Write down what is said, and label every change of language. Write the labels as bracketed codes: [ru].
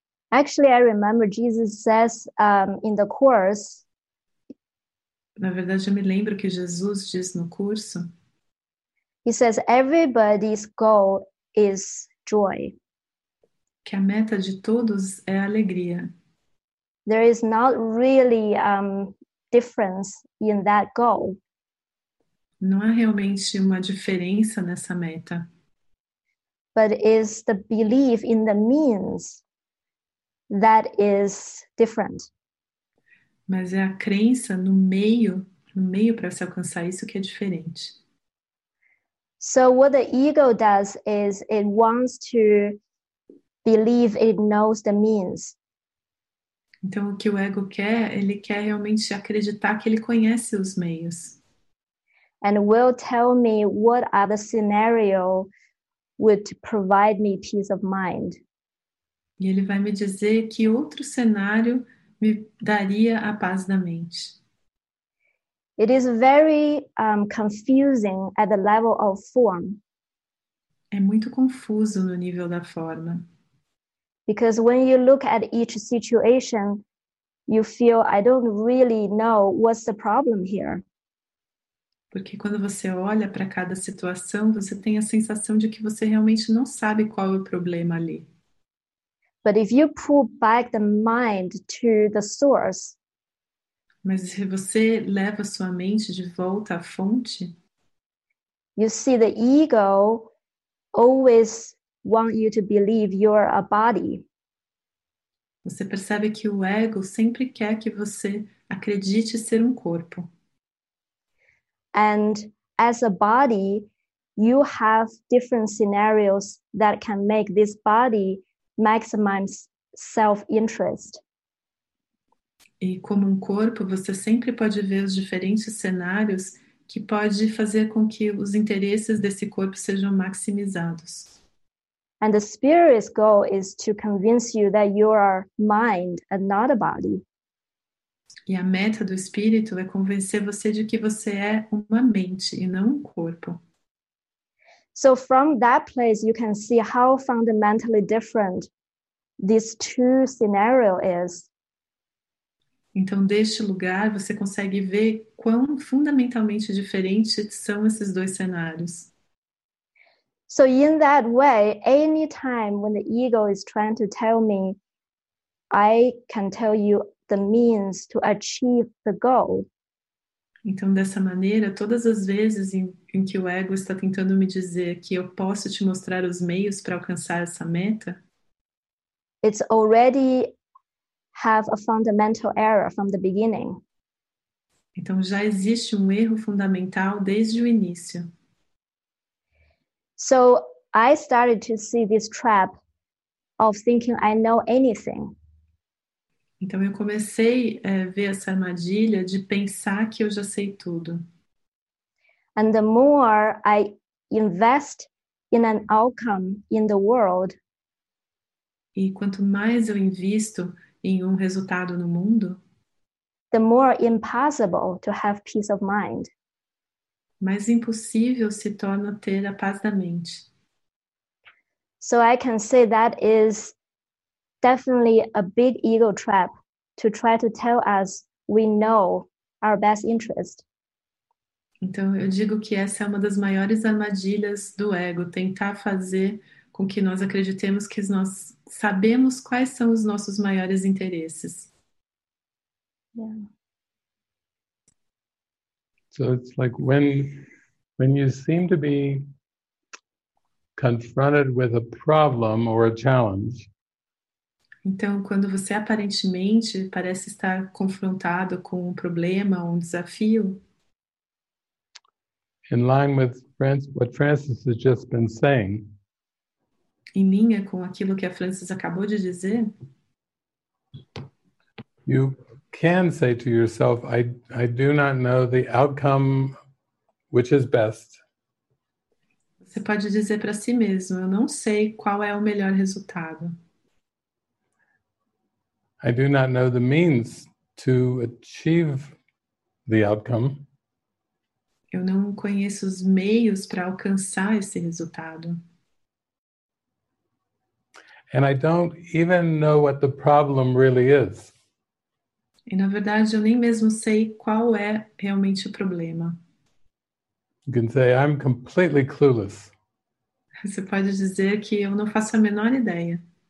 [en] Actually, I remember Jesus says in the course. [pt] Na verdade, eu me lembro que Jesus diz no curso. [en] He says everybody's goal is joy. [pt] Que a meta de todos é a alegria. [en] There is not really difference in that goal. [pt] Não há realmente uma diferença nessa meta. [en] But is the belief in the means that is different. [pt] Mas é a crença no meio para se alcançar isso que é diferente. [en] So what the ego does is it wants to believe it knows the means. [pt] Então o que o ego quer, ele quer realmente acreditar que ele conhece os meios. [en] And will tell me what other scenario would provide me peace of mind. [pt] E ele vai me dizer que outro cenário me daria a paz da mente. [en] It is very confusing at the level of form. [pt] É muito confuso no nível da forma. [en] Because when you look at each situation, you feel, I don't really know what's the problem here. [pt] Porque quando você olha para cada situação, você tem a sensação de que você realmente não sabe qual é o problema ali. [en] But if you pull back the mind to the source, [pt] mas se você leva sua mente de volta à fonte, [en] you see the ego always want you to believe you're a body. [pt] Você percebe que o ego sempre quer que você acredite ser um corpo. [en] And as a body, you have different scenarios that can make this body maximize self-interest. [pt] E como um corpo, você sempre pode ver os diferentes cenários que pode fazer com que os interesses desse corpo sejam maximizados. [en] And the spirit's goal is to convince you that you are mind and not a body. [pt] E a meta do espírito é convencer você de que você é uma mente e não um corpo. [en] So from that place you can see how fundamentally different these two scenarios is. [pt] Então, deste lugar, você consegue ver quão fundamentalmente diferentes são esses dois cenários. [en] So in that way, any time when the ego is trying to tell me, I can tell you the means to achieve the goal. [pt] Então, dessa maneira, todas as vezes em que o ego está tentando me dizer que eu posso te mostrar os meios para alcançar essa meta, [en] it's already have a fundamental error from the beginning. [pt] Então já existe um erro fundamental desde o início. [en] So I started to see this trap of thinking I know anything. [pt] Então eu comecei a ver essa armadilha de pensar que eu já sei tudo. [en] And the more I invest in an outcome in the world, [pt] e quanto mais eu invisto em um resultado no mundo, [en] the more impossible to have peace of mind. [pt] Mais impossível se torna ter a paz da mente. [en] So I can say that is definitely a big ego trap to try to tell us we know our best interest. [pt] Então eu digo que essa é uma das maiores armadilhas do ego, tentar fazer com que nós acreditemos que nós sabemos quais são os nossos maiores interesses. [en] Yeah. So it's like when you seem to be confronted with a problem or a challenge. [pt] Então, quando você aparentemente parece estar confrontado com um problema ou um desafio. [en] In line with what Francis has just been saying. [pt] Em linha com aquilo que a Francis acabou de dizer. [en] You can say to yourself, I do not know the outcome which is best. [pt] Você pode dizer para si mesmo, eu não sei qual é o melhor resultado. [en] I do not know the means to achieve the outcome. [pt] Eu não conheço os meios para alcançar esse resultado. [en] And I don't even know what the problem really is. [pt] E na verdade eu nem mesmo sei qual é realmente o problema. [en] You can say I'm completely clueless. [pt] Você pode dizer que eu não faço a menor ideia.